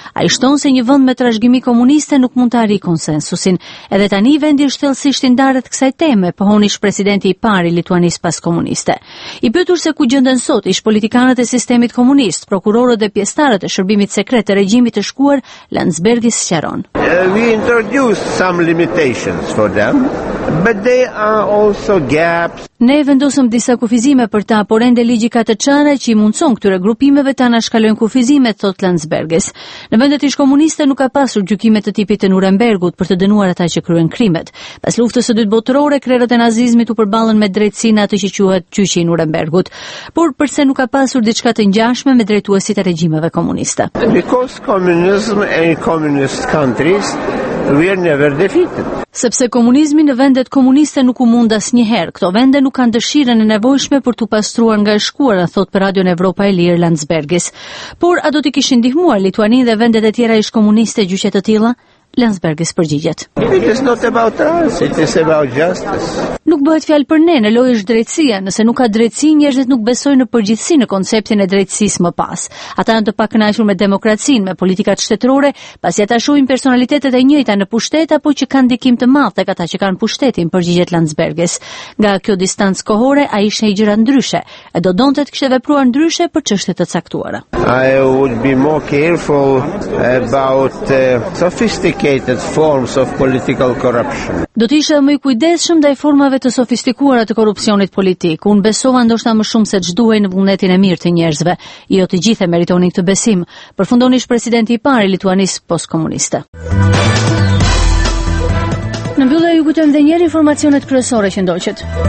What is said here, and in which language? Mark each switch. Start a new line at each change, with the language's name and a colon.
Albanian: Ai shton se një vend me trashëgimi komuniste nuk mund të arrijë konsensusin. Edhe tani vendi është thellësisht i ndarët kësaj teme, pohon ish presidenti i parë i Lituanisë pas komuniste. I pyetur se ku gjenden sot ish politikanët e sistemit komunist, prokurorët dhe pjesëtarët e shërbimit sekret të regjimit të shkuar, Landsbergis sqaron.
English: We introduced some limitations for them, but they are also gaps.
Albanian: Ne vendosëm disa kufizime për ta, por ende ligji ka të çare që i mundson këtyre grupimeve të anashkalojnë kufizimet, thot Landsbergis. Në vendet ish-komuniste nuk ka pasur gjykime të tipit të Nurembergut për të dënuar ata që kryen krimet. Pas luftës së dytë botërore, krerët e nazizmit u përballën me drejtsinë atë që quhet qyçi i Nurembergut. Por pse nuk ka pasur diçka të ngjashme me drejtuesit e regjimeve komuniste?
English: Because communism in communist countries were never defeated.
Albanian: Sepse komunizmi në vendet komuniste nuk u mund asnjëherë. Këto vende nuk kanë dëshirën e nevojshme për t'u pastruar nga e shkuara, thot për Radion Evropa e Lirë Landsbergis. Por a do t'i kishin ndihmuar Lituaninë dhe vendet e tjera ish-komuniste gjyqe të tilla? Landsbergis përgjigjet.
English: It is not about us, it is about justice.
Albanian: Nuk bëhet fjalë për ne, në lojë është drejtësia. Nëse nuk ka drejtësi, njerëzit nuk besojnë në përgjithësi në konceptin e drejtësisë më pas. Ata janë të pakënaqur me demokracinë, me politikat shtetërore, pasi ata shohin personalitetet e njëjta në pushtet apo që kanë ndikim të madh tek ata që kanë pushtetin, përgjigjet Landsbergis. Nga kjo distancë kohore, ai ishte gjëra ndryshe, e do donte të kishte vepruar ndryshe për çështje të caktuara.
English: I would be more careful about sophisticated forms of political corruption.
Albanian: Do të isha më i kujdesshëm ndaj formave të sofistikuara të korrupsionit politik. Unë besova ndoshta më shumë se ç'duhej në vullnetin e mirë të njerëzve. Jo të gjithë meritonin këtë besim. Përfundonish presidenti i parë i Lituanisë postkomuniste. Në mbyllje ju kujtojmë edhe njëherë informacionet kryesore që ndoqët.